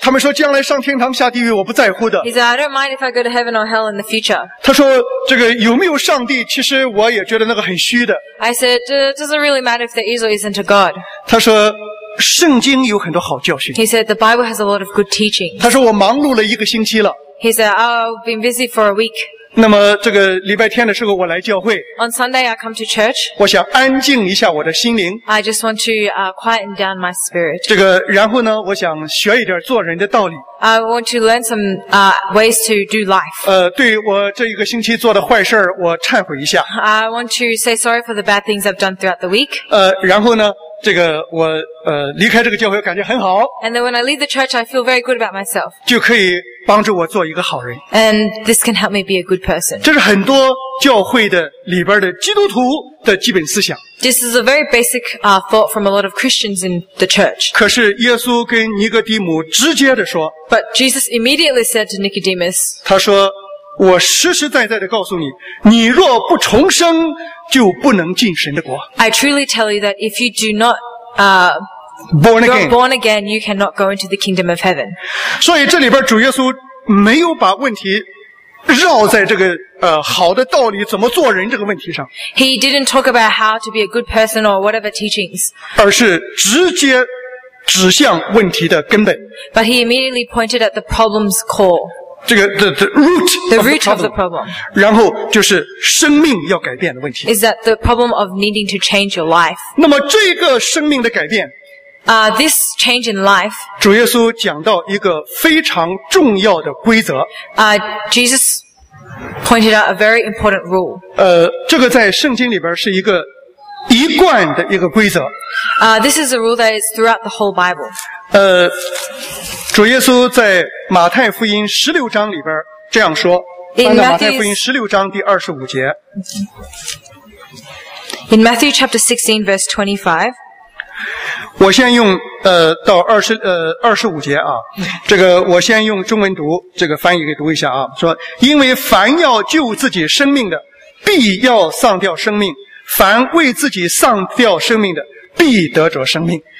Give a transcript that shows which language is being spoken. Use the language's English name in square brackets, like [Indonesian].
[Chinese] 他们说将来上天堂下地狱我不在乎的。 [English] He said, I don't mind if I go to heaven or hell in the future. [Chinese] 他说这个有没有上帝其实我也觉得那个很虚的。 [English] I said, it doesn't really matter if there is or isn't a God. [Chinese] 他说圣经有很多好教训。 [English] He said, the Bible has a lot of good teaching. [Chinese] 他说我忙碌了一个星期了。 [English] He said, I've been busy for a week. [Chinese] 那么这个礼拜天的时候我来教会。 [English] On Sunday, I come to church. [Chinese] 我想安静一下我的心灵。 [English] I just want to, quieten down my spirit. [Chinese] 这个然后呢我想学一点做人的道理。 [English] I want to learn some, ways to do life. [Chinese] 对我这一个星期做的坏事我忏悔一下。 [English] I want to say sorry for the bad things I've done throughout the week. [Chinese] 然后呢这个我离开这个教会感觉很好。 [English] And then when I leave the church, I feel very good about myself. [Chinese] 就可以帮助我做一个好人。 [English] And this can help me be a good person. [Chinese] 这是很多教会的里边的基督徒的基本思想。 [English] This is a very basic, thought from a lot of Christians in the church. [Chinese] 可是耶稣跟尼哥底姆直接地说。 [English] But Jesus immediately said to Nicodemus. [Chinese] 他说我实实在在地告诉你，你若不重生就不能进神的国。 [English] I truly tell you that if you do not, Born again. Born again, you cannot go into the kingdom of heaven. [Chinese] 所以这里边主耶稣没有把问题绕在这个好的道理怎么做人这个问题上。 [English] He didn't talk about how to be a good person or whatever teachings. [Chinese] 而是直接指向问题的根本。 [English] But he immediately pointed at the problem's core. [Chinese] 这个 [English] the root of the problem. The root of the problem. [Chinese] 然后就是生命要改变的问题。 [English] Is that the problem of needing to change your life? [Chinese] 那么这个生命的改变。 [English] This change in life. [Chinese] 主耶稣讲到一个非常重要的规则。 [English] Jesus pointed out a very important rule. [Chinese] 这个在圣经里边是一个一贯的一个规则。 [English] This is a rule that is throughout the whole Bible. [Chinese] 主耶稣在马太福音十六章里边这样说。翻到马太福音十六章第二十五节。 [English] In Matthew chapter 16, verse 25. [Chinese] 我先用到二十五节啊，这个我先用中文读，这个翻译给读一下啊，说因为凡要救自己生命的，必要丧掉生命；凡为自己丧掉生命的，必得着生命。